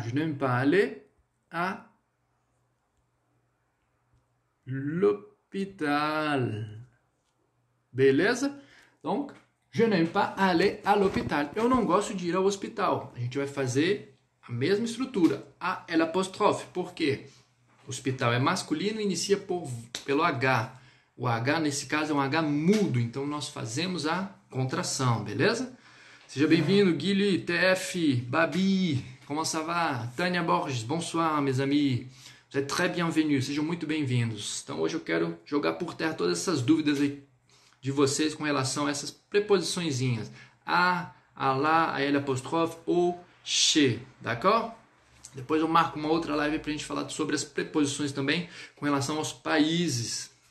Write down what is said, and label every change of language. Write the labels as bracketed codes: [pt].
[fr] Je n'aime pas aller à l'hôpital. Beleza? Donc, je n'aime pas aller à l'hôpital. [pt] Eu não gosto de ir ao hospital. A gente vai fazer a mesma estrutura. A L apostrofe. Por quê? Hospital é masculino e inicia pelo H. O H, nesse caso, é um H mudo. Então, nós fazemos a contração. Beleza? Seja bem-vindo, Guilherme, TF, Babi. [fr] Como ça va? Tânia Borges. Bonsoir, mes amis. Vous êtes très bienvenus, [pt] sejam muito bem-vindos. Então, hoje eu quero jogar por terra todas essas dúvidas aí de vocês com relação a essas preposiçõezinhas. A lá, a L apostrofe, o che, d'accord? Depois eu marco uma outra live para a gente falar sobre as preposições também com relação aos países.